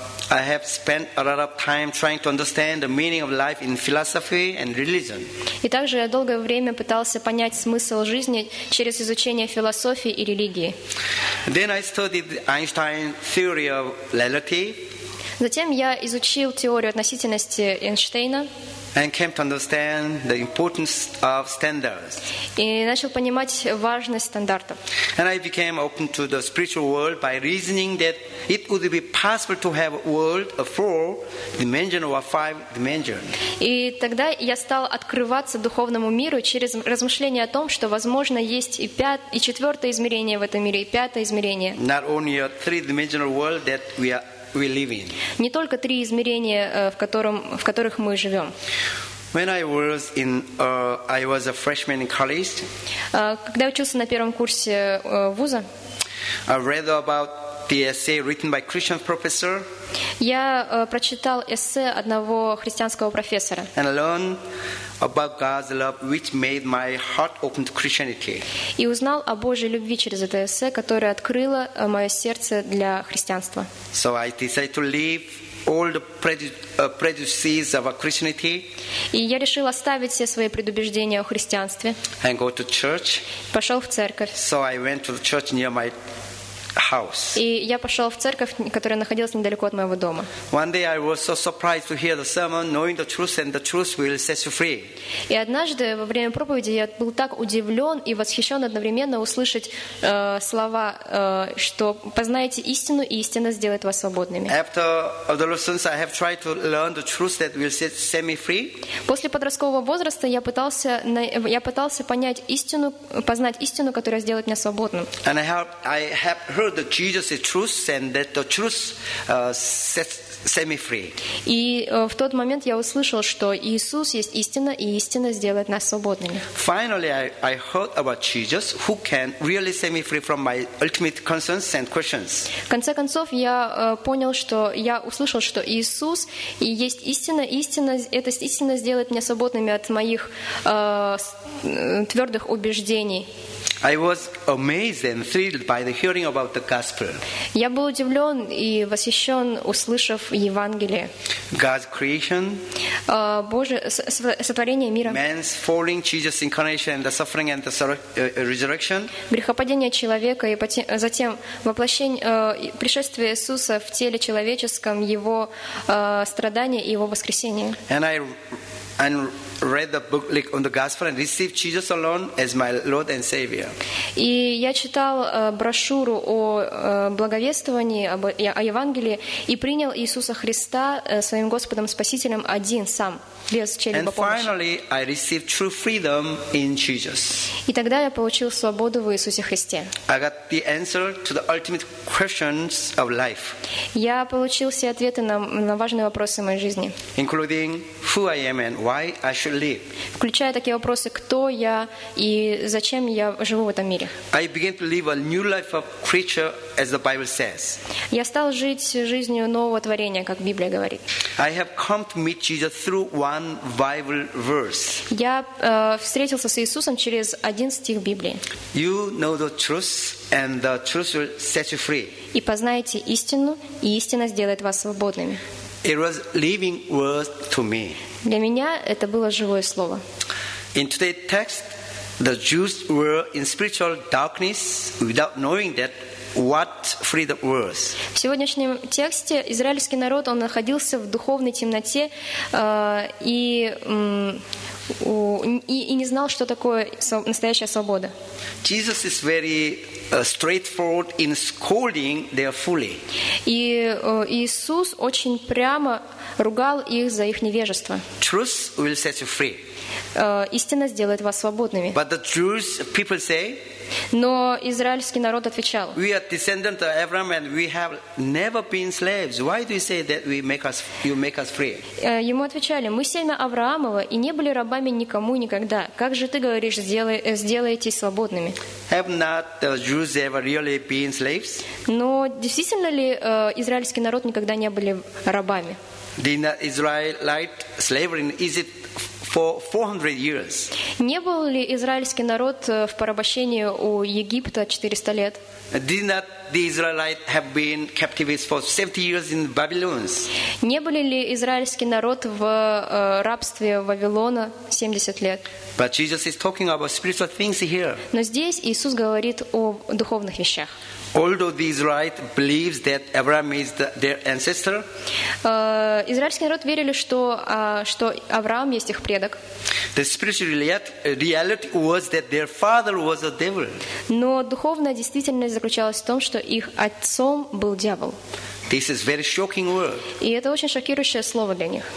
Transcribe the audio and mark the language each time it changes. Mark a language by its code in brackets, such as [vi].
[en] I have spent a lot of time trying to understand the meaning of life in philosophy and religion. [ru] И также я долгое время пытался понять смысл жизни через изучение философии и религии. [en] Then I studied Einstein's theory of relativity. [ru] Затем я изучил теорию относительности Эйнштейна. [en] And came to understand the importance of standards. [ru] И начал понимать важность стандартов. [en] And I became open to the spiritual world by reasoning that it would be possible to have a world of four dimensions or five dimensions. [ru] И тогда я стал открываться духовному миру через размышления о том, что возможно есть и четвертое измерение в этом мире, и пятое измерение. [en] Not only a three-dimensional world that we live in. [ru] Не только три измерения, в которых мы живем. [en] When I was a freshman in college. [ru] Когда учился на первом курсе вуза. [en] I read about the essay written by Christian professor. [ru] Я прочитал эссе одного христианского профессора. [en] And learned about God's love, which made my heart open to Christianity. [ru] И узнал о Божьей любви через это эссе, которое открыло мое сердце для христианства. [en] So I decided to leave all the prejudices of Christianity. [ru] И я решил оставить все свои предубеждения о христианстве. [en] And go to church. [ru] Пошел в церковь. [en] So I went to the church near my house. [ru] И я пошел в церковь, которая находилась недалеко от моего дома. [en] One day I was so surprised to hear the sermon, knowing the truth, and the truth will set you free. [ru] И однажды во время проповеди я был так удивлен и восхищен одновременно услышать слова, что познаете истину, и истина сделает вас свободными. [en] After the lessons, I have tried to learn the truth that will set me free. [ru] После подросткового возраста я пытался понять истину, познать истину, которая сделает меня свободным. [en] And I have heard that Jesus is truth and that the truth set me free. [ru] И в тот момент я услышал, что Иисус есть истина, и истина сделает нас свободными. [en] Finally, I heard about Jesus who can really set me free from my ultimate concerns and questions. [ru] В конце концов, я услышал, что Иисус и есть истина, и истина сделает меня свободными от моих твердых убеждений. [en] I was amazed and thrilled by the hearing about the gospel. [ru] Я был удивлен и восхищен, услышав Евангелие. [en] God's creation. [ru] Боже, сотворение мира. [en] Man's falling, Jesus' incarnation, the suffering and the resurrection. [ru] Грехопадение человека и затем воплощение, пришествие Иисуса в теле человеческом, его страдания и его воскресение. [en] And read the book on the gospel and received Jesus alone as my Lord and Savior. [ru] И я читал брошюру о благовествовании о Евангелии и принял Иисуса Христа своим Господом Спасителем один сам без чьей-либо помощи. [en] And finally, I received true freedom in Jesus. [ru] И тогда я получил свободу в Иисусе Христе. [en] I got the answer to the ultimate questions of life. [ru] Я получил все ответы на важные вопросы моей жизни, [en] including who I am and why I should actually [ru] включая такие вопросы, кто я и зачем я живу в этом мире. [en] I began to live a new life of creature, as the Bible says. [ru] Я стал жить жизнью нового творения, как Библия говорит. [en] I have come to meet Jesus through one Bible verse. [ru] Я встретился с Иисусом через один стих Библии. [en] You know the truth, and the truth will set you free. [ru] И познаете истину, и истина сделает вас свободными. [en] It was living word to me. [ru] Для меня это было живое слово. [en] In today's text, the Jews were in spiritual darkness without knowing that what freedom was. [ru] В сегодняшнем тексте израильский народ он находился в духовной темноте и не знал, что такое настоящая свобода. [en] Jesus is very straightforward in scolding their folly. [ru] И Иисус очень прямо ругал их за их невежество. [en] Truth will set you free. [ru] Истина сделает вас свободными. [en] But the Jewish people say, [ru] но израильский народ отвечал: [en] we are descendants of Abraham and we have never been slaves. Why do you say that you make us free? [ru] Ему отвечали: мы семя Авраамова и не были рабами никому никогда. Как же ты говоришь, сделаетесь свободными? [en] Have not the Jews ever really been slaves? [ru] Но действительно ли израильский народ никогда не были рабами? [en] Did the Israelite slavery, is it for 400 years? [ru] Не был ли израильский народ в порабощении у Египта 400 лет? [en] Did not the Israelites have been captives for 70 years in Babylon? [ru] Не были ли израильский народ в рабстве Вавилона 70 лет? [en] But Jesus is talking about spiritual things here. [ru] Но здесь Иисус говорит о духовных вещах. [en] Although the Israelite believes that Abraham is their ancestor, [ru] израильский народ верили, что Авраам есть их предок. [en] The spiritual reality was that their father was a devil. [ru] Но духовная действительность заключалась в том, что их отцом был дьявол. [en] This is very shocking word. [ru] И это очень шокирующее слово для них.